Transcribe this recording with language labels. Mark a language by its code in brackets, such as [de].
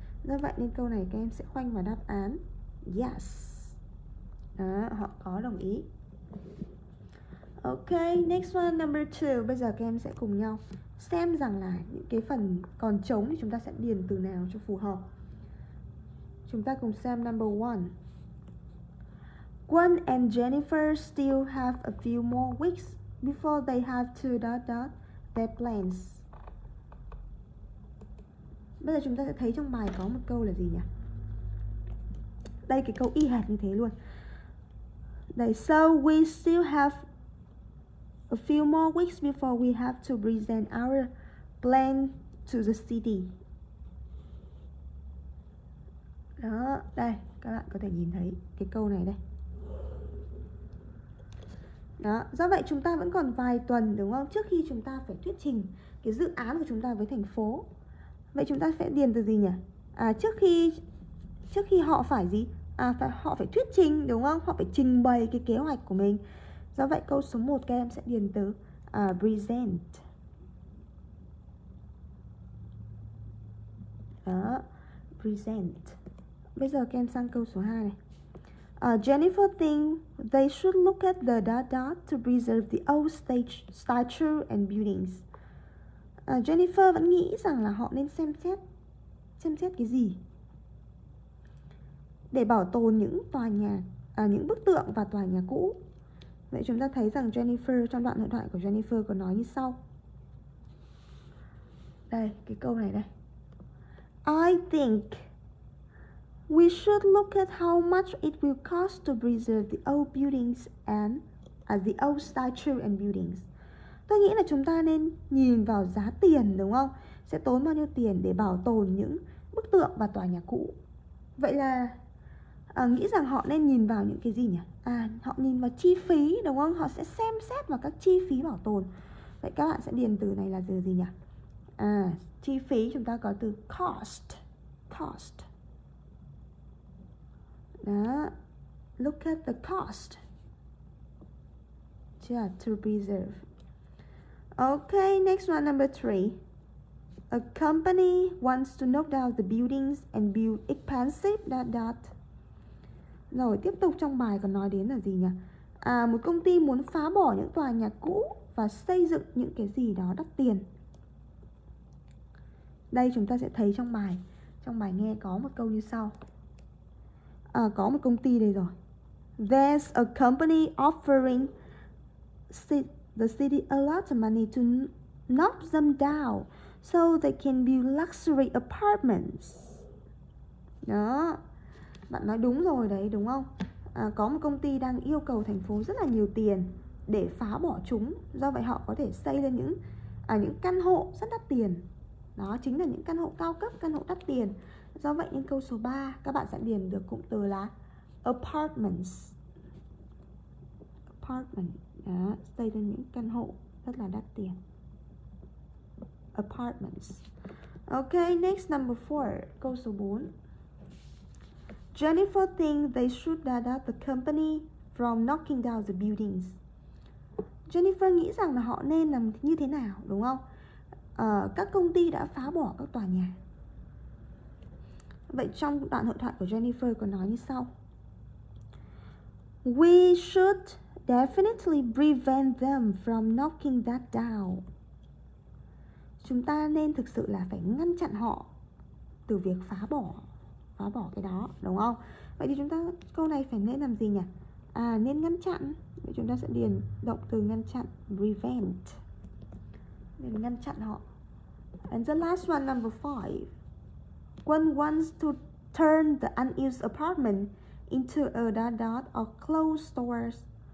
[vi] Do vậy nên câu này các em sẽ khoanh vào đáp án yes. Đó, họ có đồng ý. [en] Ok, next one, number 2. [vi] Bây giờ các em sẽ cùng nhau xem rằng là những cái phần còn trống thì chúng ta sẽ điền từ nào cho phù hợp. Chúng ta cùng xem [en] number 1. Quân and Jennifer still have a few more weeks before they have to their plans. [vi] Bây giờ chúng ta sẽ thấy trong bài có một câu là gì nhỉ? Đây, cái câu y hệt như thế luôn. [en] Đây, so we still have a few more weeks before we have to present our plan to the city. [vi] Đó, đây, các bạn có thể nhìn thấy cái câu này đây. Đó, do vậy chúng ta vẫn còn vài tuần, đúng không? Trước khi chúng ta phải thuyết trình cái dự án của chúng ta với thành phố. Vậy chúng ta sẽ điền từ gì nhỉ? Trước khi họ phải gì? Họ phải thuyết trình, đúng không? Họ phải trình bày cái kế hoạch của mình. Do vậy câu số 1 các em sẽ điền từ present. Đó, present. Bây giờ các em sang câu số 2 này. [en] Jennifer thinks they should look at the dot to preserve the old statue and buildings. [vi] Jennifer vẫn nghĩ rằng là họ nên xem xét cái gì để bảo tồn những tòa nhà, những bức tượng và tòa nhà cũ. Vậy chúng ta thấy rằng Jennifer, trong đoạn hội thoại của Jennifer có nói như sau. Đây, cái câu này đây. [en] I think we should look at how much it will cost to preserve the old buildings and the old statue and buildings. [vi] Tôi nghĩ là chúng ta nên nhìn vào giá tiền, đúng không? Sẽ tốn bao nhiêu tiền để bảo tồn những bức tượng và tòa nhà cũ. Vậy là nghĩ rằng họ nên nhìn vào những cái gì nhỉ? Họ nhìn vào chi phí, đúng không? Họ sẽ xem xét vào các chi phí bảo tồn. Vậy các bạn sẽ điền từ này là từ gì nhỉ? Chi phí, chúng ta có từ cost. [en] Cost. Đó. Look at the cost. Yeah, to preserve. Ok, next one, number 3. A company wants to knock down the buildings and build expensive dot dot. [vi] Rồi tiếp tục trong bài còn nói đến là gì nhỉ? À, một công ty muốn phá bỏ những tòa nhà cũ và xây dựng những cái gì đó đắt tiền. Đây chúng ta sẽ thấy trong bài. Trong bài nghe có một câu như sau. À, có một công ty đây rồi. [en] There's a company offering the city a lot of money to knock them down so they can build luxury apartments. [vi] Đó. Bạn nói đúng rồi đấy, đúng không? À, có một công ty đang yêu cầu thành phố rất là nhiều tiền để phá bỏ chúng. Do vậy họ có thể xây lên những căn hộ rất đắt tiền. Đó chính là những căn hộ cao cấp, căn hộ đắt tiền. Do vậy những câu số 3 các bạn sẽ điền được cụm từ là apartments. Apartment. Đó, xây lên những căn hộ rất là đắt tiền. [en] Apartments. Ok, next number 4, [vi] câu số 4. [en] Jennifer thinks they should dot out the company from knocking down the buildings. [vi] Jennifer nghĩ rằng là họ nên làm như thế nào, đúng không? Các công ty đã phá bỏ các tòa nhà. Vậy trong đoạn hội thoại của Jennifer có nói như sau. [en] We should definitely prevent them from knocking that down. [vi] Chúng ta nên thực sự là phải ngăn chặn họ từ việc phá bỏ cái đó, đúng không? Vậy thì chúng ta câu này phải nên làm gì nhỉ? À, nên ngăn chặn. Vậy chúng ta sẽ điền động từ ngăn chặn, prevent. Nên ngăn chặn họ. [en] And the last one, number 5. One wants to turn the unused apartment into a dot dot or closed stores.